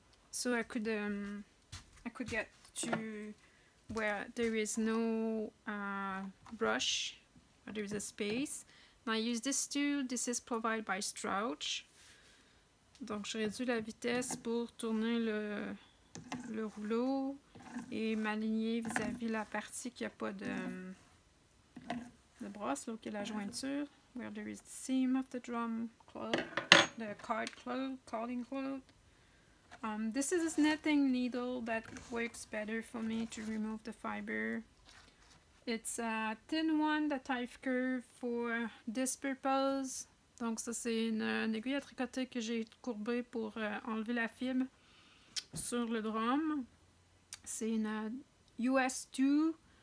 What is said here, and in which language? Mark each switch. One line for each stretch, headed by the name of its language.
English: So I could get to where there is no brush, or there is a space. Now I use this tool. This is provided by Strauch.
French: Donc je réduis la vitesse pour tourner le rouleau et m'aligner vis-à-vis la partie qui n'a pas de brosse, là, qui est la jointure.
English: Where there is the seam of the drum cloth, the card cloth, carding cloth. This is a netting needle that works better for me to remove the fiber. It's a thin one that I've curved for this purpose.
French: Donc ça c'est une aiguille à tricoter que j'ai courbée pour enlever la fibre sur le drum. C'est une US 2